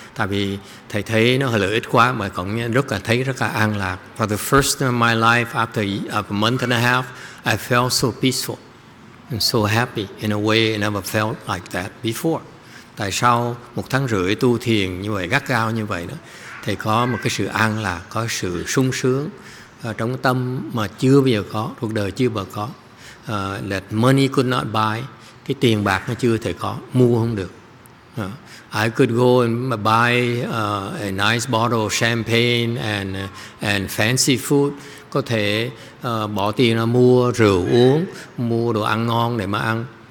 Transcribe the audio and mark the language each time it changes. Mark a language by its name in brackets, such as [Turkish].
[Vietnamese] Tại vì thầy thấy nó lợi ích quá mà còn rất là thấy rất là an lạc. [English] For the first time in my life after a month and a half, I felt so peaceful and so happy in a way I never felt like that before. [Vietnamese] Tại sao một tháng rưỡi tu thiền như vậy, gắt gao như vậy đó, thầy có một cái sự an lạc, có sự sung sướng trong tâm mà chưa bao giờ có, cuộc đời chưa bao giờ có. [English] That money could not buy, [Vietnamese] cái tiền bạc nó chưa thể có, mua không được. [English] I could go and buy a nice bottle of champagne and fancy food. [Vietnamese] Có thể bỏ tiền ra mua rượu uống, mua đồ ăn ngon để mà ăn.